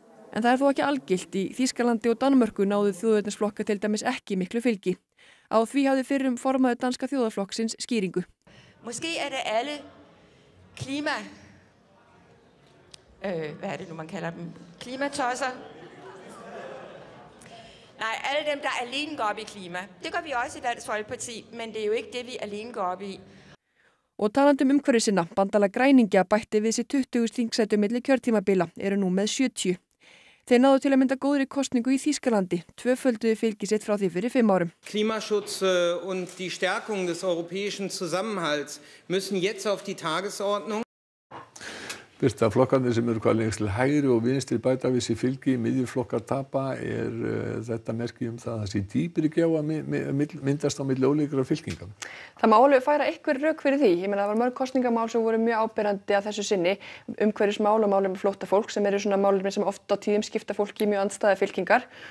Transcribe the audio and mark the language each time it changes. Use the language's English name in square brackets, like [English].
[Icelandic] En það þó ekki algilt. Í Þýskalandi og Danmörku náðu þjóðernisflokka til dæmis ekki miklu fylgi. Á því hafði fyrrum formaður danska þjóðarflokksins skýringu. [Danish] Måske er det alle klima... hvad er det nu, man kalder dem? Klimatosser? Nej, alle dem, der alene går op i klima. Det gør vi også i Dansk Folkeparti, men det er jo ikke det, vi alene går op i. [Icelandic] Og talandi umhverfisinna, bandalag græningja bætti við sig 20 þingsætum milli kjörtímabila, eru nú með 70. Þeir náðu til að mynda góðri kosningu í Þýskalandi, tvöfölduðu fylgi sitt frá því fyrir 5 árum. [German] Klimaschutz und die Stärkung des europäischen Zusammenhalts müssen jetzt auf die Tagesordnung. [Icelandic] Fyrsta flokkarnir sem eru hvað lengst til hægri og vinstri bæta við sér fylgi, miðjuflokkar tapa, er þetta merki það að það sé dýpri gjáa myndast á milli ólíkra fylkinga? Það má alveg færa einhver rök fyrir því. Ég meina það var mörg kosningamál sem voru mjög áberandi að þessu sinni, umhverfismál og mál um flótta fólk sem eru svona málefni sem oft á tíðum skipta fólk í mjög andstæða fylkingar.